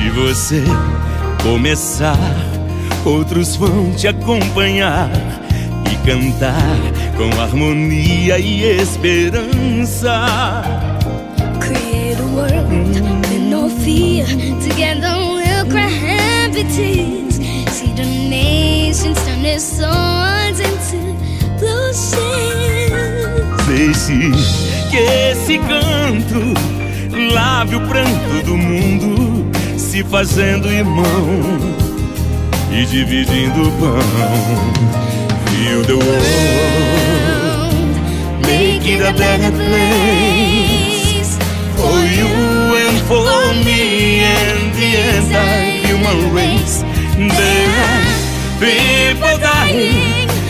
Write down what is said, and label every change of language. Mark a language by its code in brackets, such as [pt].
[pt] Você começar, outros vão te acompanhar e cantar com harmonia e esperança. [en] Create a world with no fear. Together we'll cry happy tears. See the nations turn their swords into plowshares. [pt] Deixe que esse canto lave o pranto do mundo, se fazendo irmão e dividindo o pão. [en] Feel the world, make it a better place. For you and for me and the entire human race. There are people dying.